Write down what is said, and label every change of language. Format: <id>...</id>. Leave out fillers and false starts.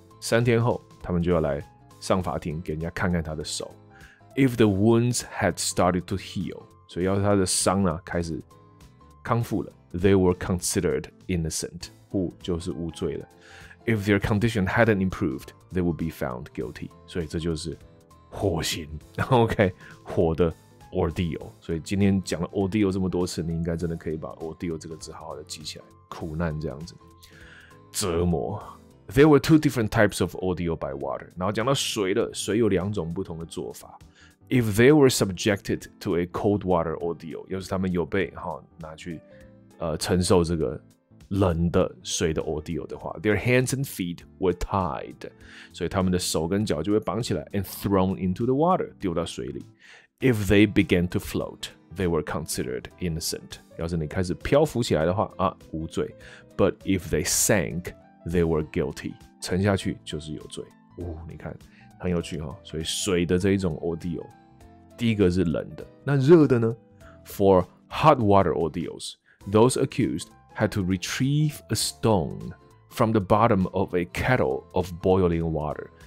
<zh>三天后，他们就要来。上法庭给人家看看他的手 ，</zh> <en>if the wounds had started to heal，</en> <zh>所以要是他的伤呢、啊、开始康复了 ，</zh> <en>they were considered innocent，</en> <zh>不就是无罪了 ？</zh> <en>if their condition hadn't improved， they would be found guilty，</en> <zh>所以这就是火刑 ，OK， 火的 ordeal， 所以今天讲了 ordeal 这么多次，你应该真的可以把 ordeal 这个字好好的记起来，苦难这样子，折磨。</zh> <en>There were two different types of ordeal by water.</en> <zh>然后讲到水了，水有两种不同的做法。</zh> <en>If they were subjected to a cold water ordeal,</en> <zh>要是他们有被拿去承受这个冷的水的 ordeal 的话</zh> <en>，their hands and feet were tied,</en> <zh>所以他们的手跟脚就会绑起来</zh> <en>，and thrown into the water,</en> <zh>丢到水里。</zh> <en>If they began to float, they were considered innocent.</en> <zh>要是你开始漂浮起来的话啊，无罪。</zh> <en>But if they sank,They were guilty.</en> <zh>沉下去就是有罪。哦，你看，很有趣哈、哦。所以水的这一种 ordeal， 第一个是冷的。那热的呢</zh> <en>？For hot water ordeals, those accused had to retrieve a stone from the bottom of a kettle of boiling water.</en>